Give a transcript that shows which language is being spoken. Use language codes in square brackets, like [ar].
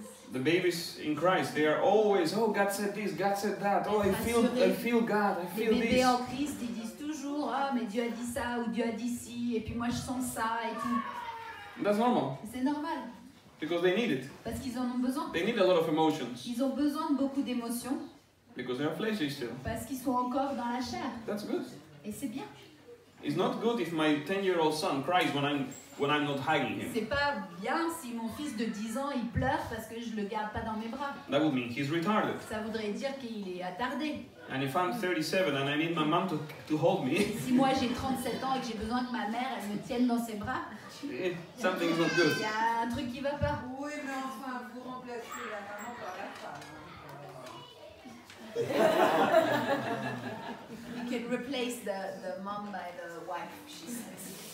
[en] The babies in Christ, they are always, oh, God said this, God said that. Oh, I feel God, I feel this. [fr] Les bébés en Christ, ils disent toujours, ah, oh, mais Dieu a dit ça, ou Dieu a dit ci, et puis moi je sens ça, et tout. [en] That's normal. [fr] C'est normal. [en] Because they need it. [fr] Parce qu'ils en ont besoin. [en] They need a lot of emotions. [fr] Ils ont besoin de beaucoup d'émotions. [en] Because they are fleshy still. [fr] Parce qu'ils sont encore dans la chair. [en] That's good. [fr] Et c'est bien. [en] It's not good if my 10-year-old son cries when I'm not hugging him. [fr] C'est pas bien si mon fils de 10 ans il pleure parce que je le garde pas dans mes bras. [en] That would mean he's retarded. [fr] Ça voudrait dire qu'il est attardé. [en] And if I'm 37 and I need my mom to hold me. [fr] Si moi j'ai 37 ans et que j'ai besoin que ma mère elle me tienne dans ses bras. [en] Something is not good. [fr] Il y a un truc qui va pas. Oui, mais enfin vous remplacez la maman par la femme. [en] You can replace the mom by the wife, she says.